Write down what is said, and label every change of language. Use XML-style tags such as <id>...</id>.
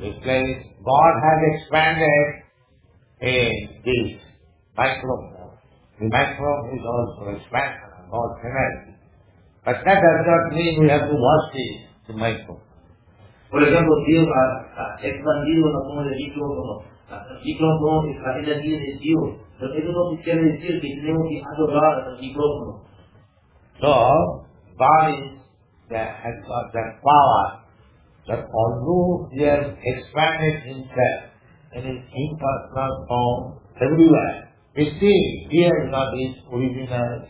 <en>It says, God has expanded in this microcosm. The microbe is also expansion of God's energy. But that does not mean we have to wash the microbe.</en> <es>Por ejemplo, Dios ha expandido la forma del microbe. El microbe es la energía de Dios. Pero eso no quiere decir que tenemos que adorar al microbe.</es> <en>So, God is that has got that power that although He has expanded Himself in His impersonal form everywhere, we see here not his original</en>